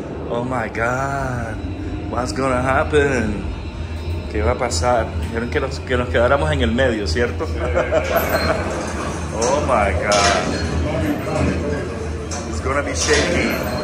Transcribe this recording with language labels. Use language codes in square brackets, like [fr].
[en] Oh my god, what's gonna happen? [es] ¿Qué va a pasar? Dijeron que nos quedáramos en el medio, ¿cierto? [en] Oh my god, it's gonna be shaky.